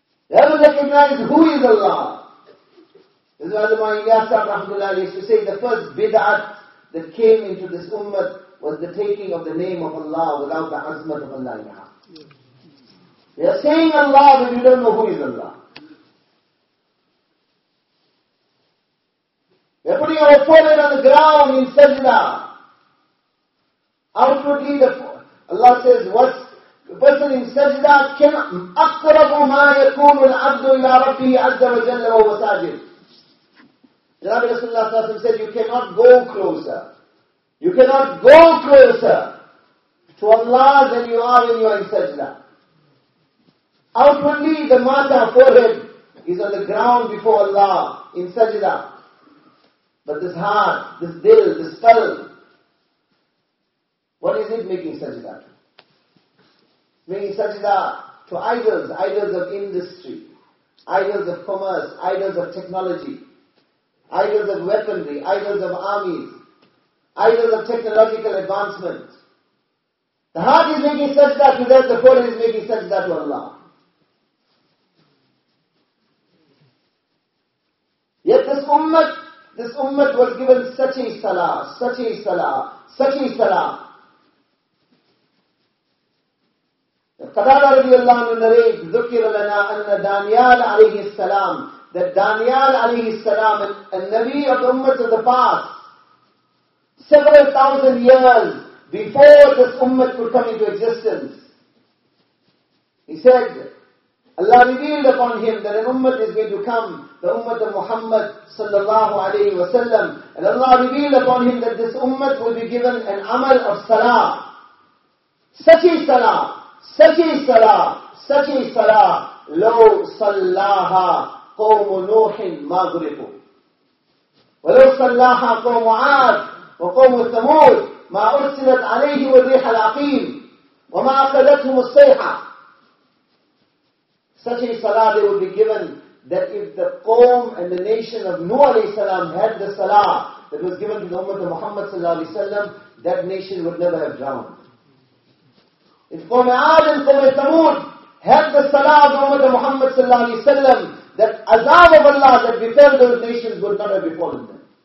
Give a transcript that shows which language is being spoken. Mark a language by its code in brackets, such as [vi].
[en] We haven't recognized who is Allah. This is why the Ma'iyasa Rahmullah used to say the first bid'at that came into this ummah was the taking of the name of Allah without the Azmat of Allah. Yeah. We are saying Allah but we don't know who is Allah. We are putting our forehead on the ground in sajda. Outwardly, Allah says, what the person in sajda can [ar] أَقْرَبُ مَا يَكُونُ الْعَبْدُ إِلَىٰ رَبِّهِ عَزَّ وَجَلَّ وَهُوَ سَاجِدٌ. [en] Rabbi Rasulullah said, you cannot go closer. You cannot go closer to Allah than you are when you are in sajda. Outwardly, the mata, forehead, is on the ground before Allah in sajda. But this heart, this dil, this qalb, what is it making sajda to? Making sajda to idols, idols of industry, idols of commerce, idols of technology, idols of weaponry, idols of armies, idols of technological advancement. The heart is making sajda to that, the forehead is making sajda to Allah. Yet this ummah was given such a salah, such a salah, such a salah. Qatada radiallahu anhu narrates, [ar] ذُكِّرْ لَنَا أَنَّ دَانِيَالَ عَلَيْهِ السَّلَامِ. [en] That Daniel alayhi salam, a Nabi of the ummah of the past, several thousand years before this ummah could come into existence, he said, Allah revealed upon him that an ummah is going to come, the ummah of Muhammad sallallahu alayhi wa sallam. And Allah revealed upon him that this ummah will be given an amal of salah. Such a salah, such a salah, such a salah. [ar] Lo sallaha قوم نوح ما غرقوا ولو صلاح قوم عاد وقوم ثمود ما أرسلت عليه الريح العقيم وما أخذتهم الصيحة. [en] Such a salah they would be given, that if the qawm and the nation of Nuh alayhi salam had the salah that was given to the Ummah of Muhammad sallallahu alayhi wasallam, that nation would never have drowned. If qawm Aad and qawm Thamud had the salah of the Ummah of Muhammad sallallahu alayhi wasallam, that azab of Allah that befell those nations would not have befallen them.